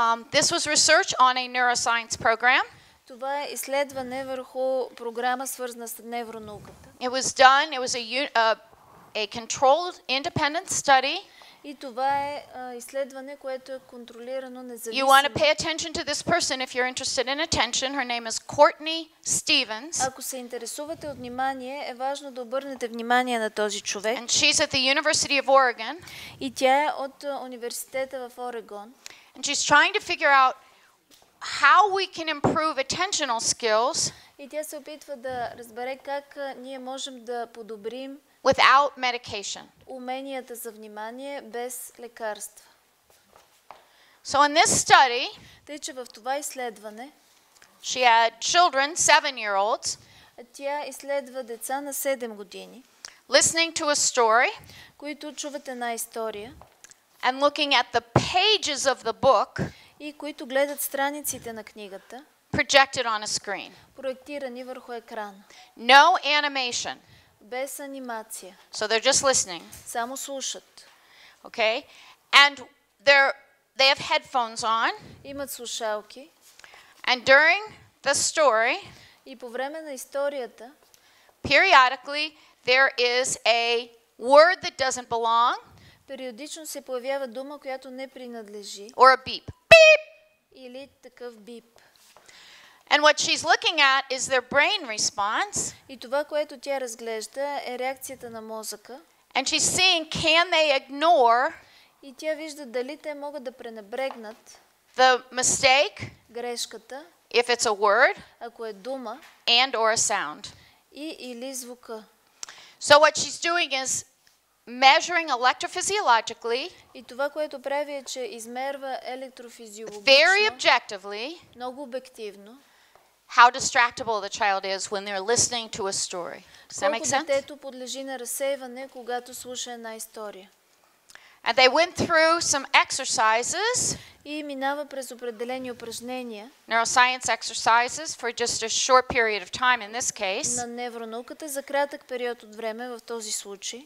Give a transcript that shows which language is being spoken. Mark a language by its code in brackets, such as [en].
[en] This was research on a neuroscience program. [bg] Това е изследване върху програма, свързана с невронауката. [en] It was done. It was a controlled, independent study. [bg] И това е изследване, което е контролирано независимо. [en] You want to pay attention to this person if you're interested in attention. Her name is Courtney Stevens. [bg] Ако се интересувате от внимание, е важно да обърнете внимание на този човек. [en] And she's at the University of Oregon. [bg] И тя е от университета в Орегон. [en] And she's trying to figure out how we can improve attentional skills. [bg] И тя се опитва да разбере как ние можем да подобрим [en] without medication. [bg] Уменията за внимание без лекарства. [en] So in this study, [bg] тъй че в това изследване, [en] she had children, 7-year-olds, [bg] тя изследва деца на 7 години, [en] listening to a story, [bg] които чуват една история, [en] and looking at the pages of the book, [bg] и които гледат страниците на книгата, [en] projected on a screen, [bg] проектирани върху екран. [en] No animation. [bg] Без анимация. [en] So they're just listening. [bg] Само слушат. [en] Okay? And they have headphones on. [bg] Имат слушалки. [en] And during the story, [bg] и по време на историята, [en] periodically there is a word that doesn't belong. [bg] Периодично се появява дума, която не принадлежи. [en] Or a beep. Beep. [bg] Или такъв бип. [en] And what she's looking at is their brain response. [bg] И това, което тя разглежда, е реакцията на мозъка. [en] And she's seeing, can they ignore? [bg] И тя вижда дали те могат да пренебрегнат [en] the mistake, [bg] грешката, [en] if it's a word, [bg] ако е дума, [en] and or a sound. [bg] И или звука. [en] So what she's doing is measuring electrophysiologically. [bg] И това, което прави, е, че измерва електрофизиологично, [en] very objectively, [bg] много обективно, [en] how distractible the child is when they're listening to a story. Does that make sense? [bg] Колко детето подлежи на разсейване, когато слуша една история. [en] And they went through some exercises. [bg] И минава през определени упражнения. [en] Neuroscience exercises for just a short period of time in this case. [bg] На невронауката за кратък период от време в този случай.